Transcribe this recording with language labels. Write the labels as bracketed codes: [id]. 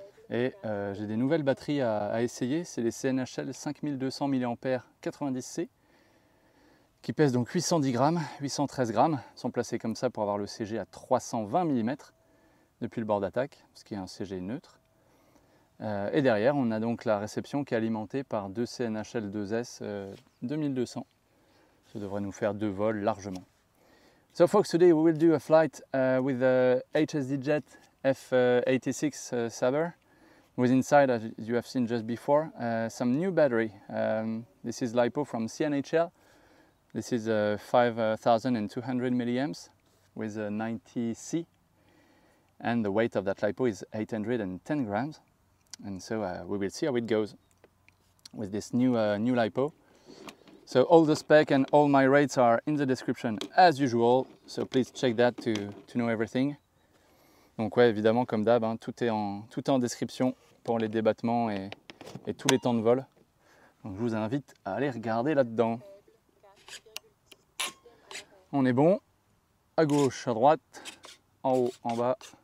[fr] Et j'ai des nouvelles batteries à essayer. C'est les CNHL 5200 mAh 90C qui pèsent donc 810 grammes, 813 grammes. Ils sont placés comme ça pour avoir le CG à 320 mm depuis le bord d'attaque, ce qui est un CG neutre. Et derrière, on a donc la réception qui est alimentée par deux CNHL 2S 2200. Ça devrait nous faire deux vols largement. [en] So folks, today we will do a flight with the HSD Jet F86 Sabre. With inside, as you have seen just before, some new battery. This is LiPo from CNHL. This is 5,200 milliamps with a 90C. And the weight of that LiPo is 810 grams. And so we will see how it goes with this new LiPo. So all the spec and all my rates are in the description as usual. So please check that to know everything. [fr] Donc ouais, évidemment, comme d'hab, hein, tout est en description pour les débattements et tous les temps de vol. Donc je vous invite à aller regarder là-dedans. On est bon. À gauche, à droite, en haut, en bas.